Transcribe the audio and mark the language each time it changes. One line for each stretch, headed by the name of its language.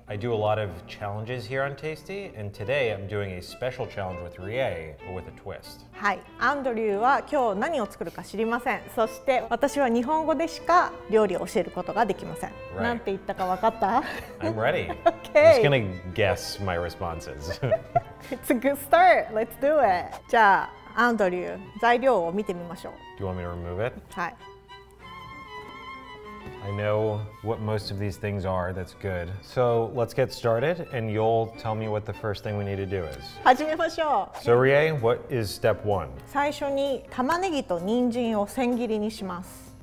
English: I do a lot of challenges here on Tasty, and today I'm doing a special challenge with Rie, but with a twist.
Japanese: はい、アンドリューは今日何を作るか知りません。そして私は日本語でしか料理を教えることができません。
English: Right.
Japanese: なんて言ったかわかった?
English: I'm ready. Okay. I'm just gonna guess my responses. It's a good start. Let's do it.
Japanese: じゃあ、アンドリュー、材料を見てみましょう。
English: Do you want me to remove it?
Japanese: はい。
English: I know what most of these things are, that's good. So let's get started, and you'll tell me what the first thing we need to do is.
Japanese: 始めましょう。
English: So Rie, what is step one?
Japanese: 最初に玉ねぎと人参を千切りにします。